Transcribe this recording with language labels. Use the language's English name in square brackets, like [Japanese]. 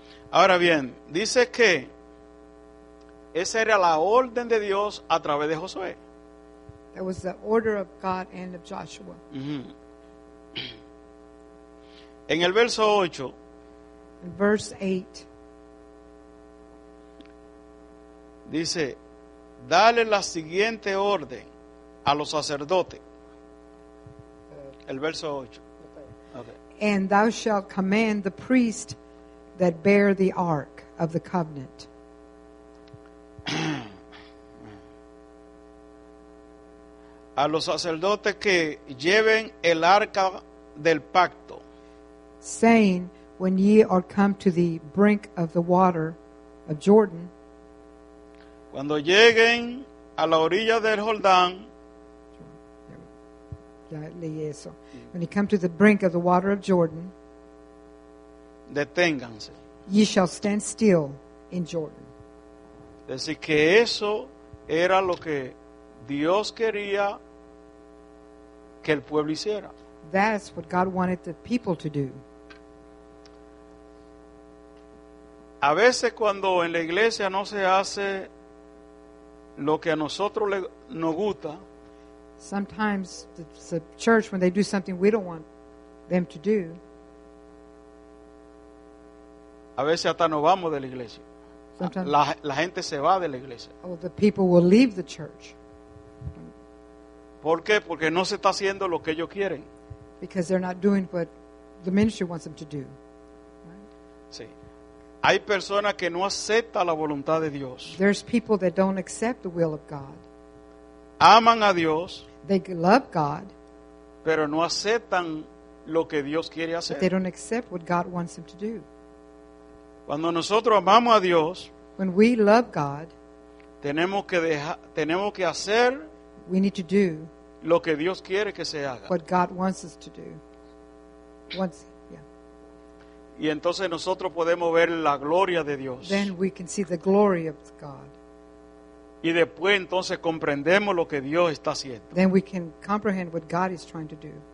[Spanish] Ahora bien, dice que esa era la orden de Dios a través de Josué. [English] That was the order of God and of Joshua. Mm-hmm. [Spanish] En el verso 8. [English] In verse 8. [Spanish] Dice, dale la siguiente orden a los sacerdotes. El verso 8. Okay. [English] And thou shalt command the priest that bear the ark of the covenant. [Spanish] A los sacerdotes que lleven el arca del pacto. [English] Saying, when ye are come to the brink of the water of Jordan, [Spanish] cuando lleguen a la orilla del Jordán, ya leí eso. [English] When you come to the brink of the water of Jordan, [Spanish] deténganse. [English] Ye shall stand still in Jordan. [Spanish] Es decir, que eso era lo que Dios quería que el pueblo hiciera. [English] That's what God wanted the people to do. [Spanish] A veces cuando en la iglesia no se hace lo que a nosotros nos gusta. [English] Sometimes the church, when they do something we don't want them to do. [Spanish] A veces hasta nos vamos de la iglesia. [English] Sometimes [Spanish] la gente se va de la iglesia. [English] Oh, the people will leave the church. [Spanish] ¿Por qué? Porque no se está haciendo lo que ellos quieren. [English] Because they're not doing what the ministry wants them to do. [Spanish] Sí. Hay personas que no aceptan la voluntad de Dios. [English] There's people that don't accept the will of God. [Spanish] Aman a Dios. [English] They love God. [Spanish] Pero no aceptan lo que Dios quiere hacer. [English] But they don't accept what God wants them to do. [Spanish] Cuando nosotros amamos a Dios, [English] when we love God, [Spanish] tenemos que hacer [English] we need to do [Spanish] lo que Dios quiere que se haga. [English] What God wants us to do. [Spanish] Y entonces nosotros podemos ver la gloria de Dios. [English] Then we can see the glory of God. [Spanish] Y después entonces comprendemos lo que Dios está haciendo. [English] Then we can comprehend what God is trying to do.